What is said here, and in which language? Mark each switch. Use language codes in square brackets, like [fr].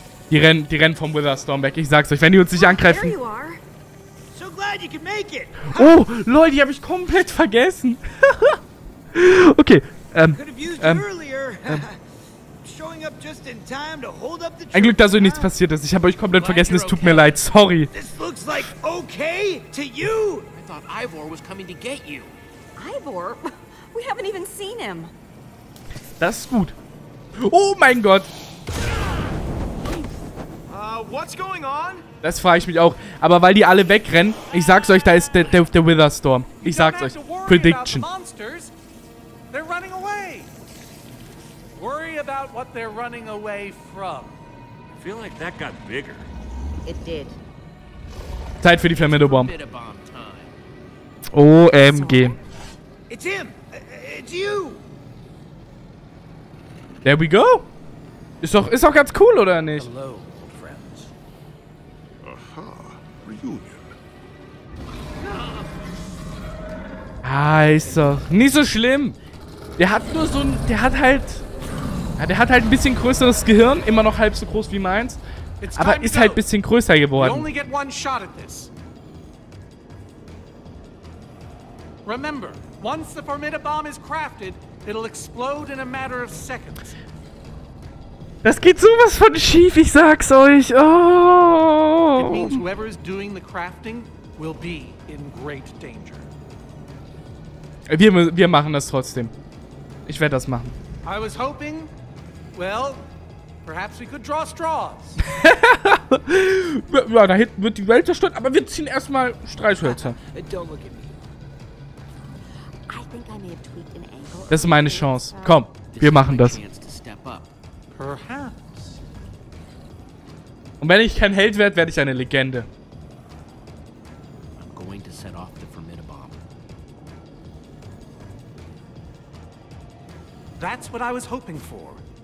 [de] Die rennen vom Witherstorm weg. Ich sag's euch, wenn die uns nicht angreifen. [en] So glad you can make it. [de] Oh, Leute, die habe ich komplett vergessen. Okay, ein Glück, dass euch nichts passiert ist. Ich habe euch komplett vergessen. Es tut mir leid. Sorry. [en] This looks like okay to you. I thought Ivor was coming to get you. Ivor? We haven't even seen him. [de] Das ist gut. Oh mein Gott. [en] What's going on? [de] Das frage ich mich auch. Aber weil die alle wegrennen, ich sag's euch, da ist der Witherstorm. Ich sag's euch. Prediction. [en] They're running away. Worry about what they're running away from. I feel like that got bigger. It did. [de] Zeit für die Flamingo Bomb. OMG. [en] It's him. It's you. There we go. [de] Ist doch ganz cool, oder nicht? [en] Hello, old friends. Aha, reunion. [de] Ist doch nicht so schlimm. Der hat halt ein bisschen größeres Gehirn, immer noch halb so groß wie meins, aber ist halt ein bisschen größer geworden. [en] You only get one shot at this. Remember, once the Formidabomb is crafted, it'll explode in a matter of seconds. [de] Das geht sowas von schief, ich sag's euch. Oh. [en] It means whoever is doing the crafting will be in great danger. [de] Wir machen das trotzdem. Ich werde das machen. [en] I was hoping, well, perhaps we could draw straws. [de] Ja, da hinten wird die Welt zerstört, aber wir ziehen erstmal Streichhölzer. [en] Don't look at me. I think I may have tweaked an angle. [de] Das ist meine Chance. Komm, wir machen das. [en] Perhaps. [de] Und wenn ich kein Held werde, werde ich eine Legende. [en] I'm going to set off the Formidabomb. That's what I was hoping for.